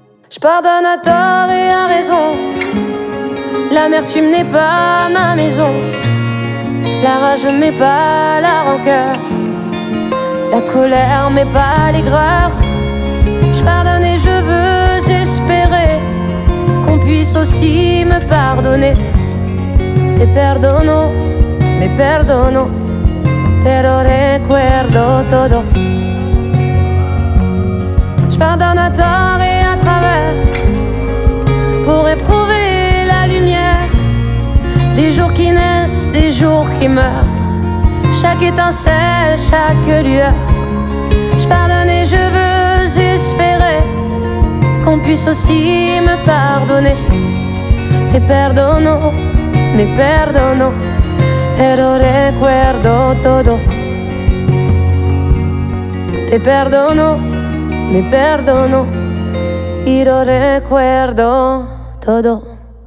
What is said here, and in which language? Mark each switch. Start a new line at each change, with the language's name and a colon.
French: Je pardonne à tort et à raison. L'amertume n'est pas ma maison. La rage mais pas la rancœur. La colère mais pas l'aigreur. Je pardonne et je veux espérer qu'on puisse aussi me pardonner.
Spanish: Te perdono, me perdono, pero recuerdo todo.
French: Je pardonne à tort et à travers. Pour éprouver la lumière. Des jours qui naissent, des jours qui meurent. Chaque étincelle, chaque lueur. Je pardonne et je veux espérer qu'on puisse aussi me pardonner.
Spanish: Te perdono, me perdono, pero recuerdo todo. Te perdono, me perdono, y lo recuerdo todo.